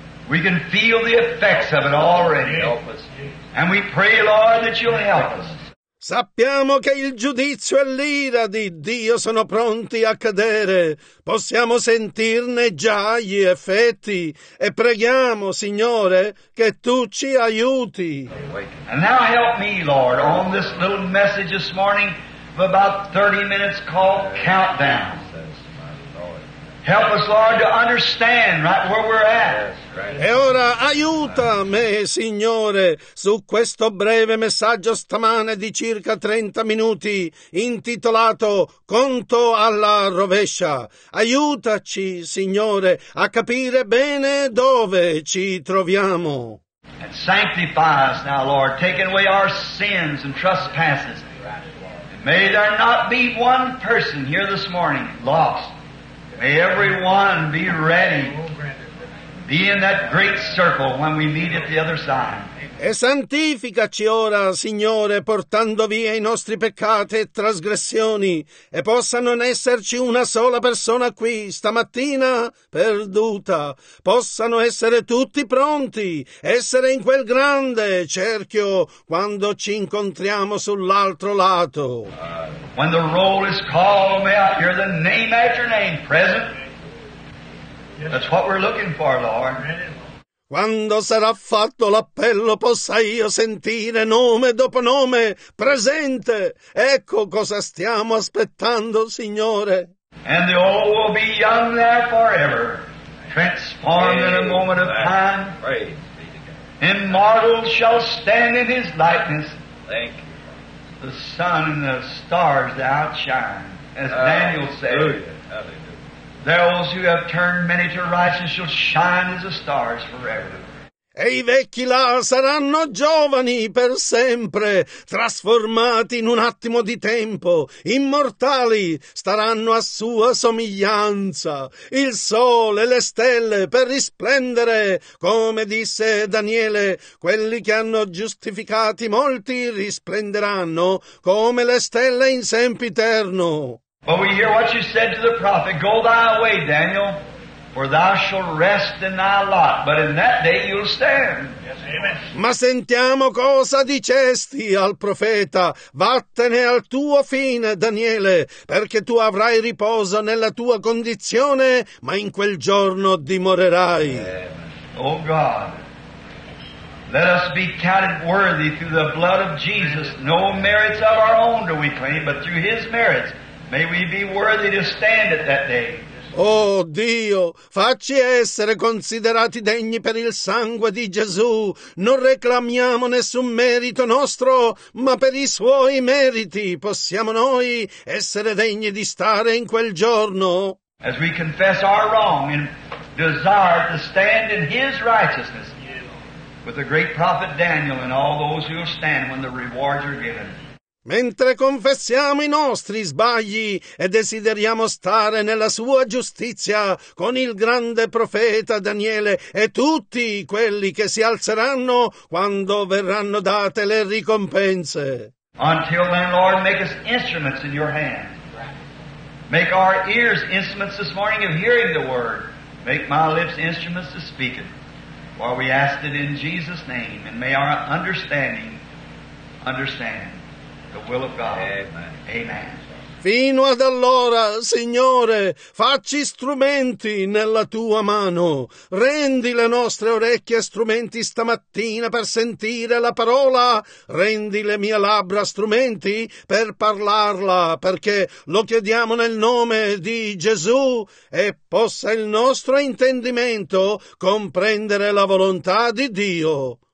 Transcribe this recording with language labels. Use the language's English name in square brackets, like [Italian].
[English] We can feel the effects of it already. And we pray, Lord, that you'll help us. [Italian] Sappiamo che il giudizio e l'ira di Dio sono pronti a cadere. Possiamo sentirne già gli effetti. E preghiamo, Signore, che Tu ci aiuti. [English] And now help me, Lord, on this little message this morning of about 30 minutes called Countdown. Help us, Lord, to understand right where we're at. [Italian] E ora aiuta me, Signore, su questo breve messaggio stamane di circa 30 minuti, intitolato Conto alla rovescia. Aiutaci, Signore, a capire bene dove ci troviamo. [English] And sanctify us now, Lord, taking away our sins and trespasses. And may there not be one person here this morning lost. May everyone be ready. Be in that great circle when we meet at the other side. [Italian] E santificaci ora, Signore, portando via i nostri peccati e trasgressioni, e possa non esserci una sola persona qui stamattina perduta. Possano essere tutti pronti, essere in quel grande cerchio quando ci incontriamo sull'altro lato. [English] When the roll is called, may I hear the name after name present. That's what we're looking for, Lord. [Italian] Quando sarà fatto l'appello, possa io sentire nome dopo nome presente. Ecco cosa stiamo aspettando, Signore. [English] And the old will be young there forever, transformed in a moment of time. Immortal shall stand in his likeness. Thank you. The sun and the stars that outshine, as Daniel said. Those who have turned many to righteousness shall shine as the stars forever. [Italian] E i vecchi là saranno giovani per sempre, trasformati in un attimo di tempo, immortali, staranno a sua somiglianza. Il sole e le stelle per risplendere, come disse Daniele, quelli che hanno giustificati molti risplenderanno come le stelle in sempiterno. [English] But we hear what you said to the prophet, go thy way, Daniel, for thou shalt rest in thy lot, but in that day you'll stand. Yes, amen. [Italian] Ma sentiamo cosa dicesti al profeta, vattene al tuo fine, Daniele, perché tu avrai riposo nella tua condizione, ma in quel giorno dimorerai. Amen. [English] Oh God, let us be counted worthy through the blood of Jesus. No merits of our own do we claim, but through his merits. May we be worthy to stand at that day. [Italian] Oh Dio, facci essere considerati degni per il sangue di Gesù. Non reclamiamo nessun merito nostro, ma per i suoi meriti possiamo noi essere degni di stare in quel giorno. [English] As we confess our wrong and desire to stand in his righteousness with the great prophet Daniel and all those who stand when the rewards are given. [Italian] Mentre confessiamo i nostri sbagli e desideriamo stare nella sua giustizia con il grande profeta Daniele e tutti quelli che si alzeranno quando verranno date le ricompense. [English] Until then, Lord, make us instruments in your hand. Make our ears instruments this morning of hearing the word. Make my lips instruments of speaking. For we ask it in Jesus' name, and may our understanding understand. The will of God. Amen. Amen. [Italian] Fino ad allora, Signore, facci strumenti nella Tua mano. Rendi le nostre orecchie strumenti stamattina per sentire la parola. Rendi le mie labbra strumenti per parlarla, perché lo chiediamo nel nome di Gesù e possa il nostro intendimento comprendere la volontà di Dio.